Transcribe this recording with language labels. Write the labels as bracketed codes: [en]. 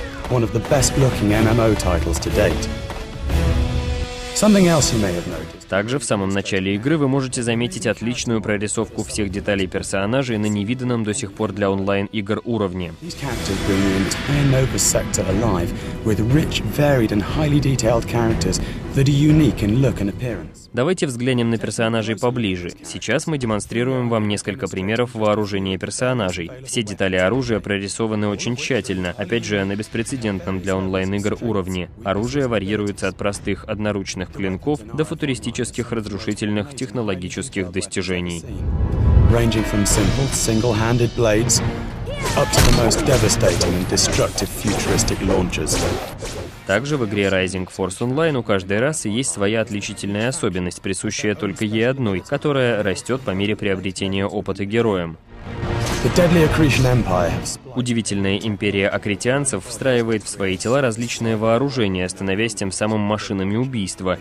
[en] One of the best-looking MMO titles to date. Something else you may have noticed. [ru] Также в самом начале игры вы можете заметить отличную прорисовку всех деталей персонажей на невиданном до сих пор для онлайн-игр уровне. [en] These characters bring the entire Nova sector alive with rich, varied and highly detailed characters that are unique in look and appearance. [ru] Давайте взглянем на персонажей поближе. Сейчас мы демонстрируем вам несколько примеров вооружения персонажей. Все детали оружия прорисованы очень тщательно, опять же, на беспрецедентном для онлайн-игр уровне. Оружие варьируется от простых одноручных клинков до футуристических разрушительных технологических достижений. [en] Ranging from simple single-handed blades up to the most devastating and destructive futuristic launchers. [ru] Также в игре Rising Force Online у каждой расы есть своя отличительная особенность, присущая только ей одной, которая растет по мере приобретения опыта героем. Удивительная империя акритианцев встраивает в свои тела различные вооружения, становясь тем самым машинами убийства.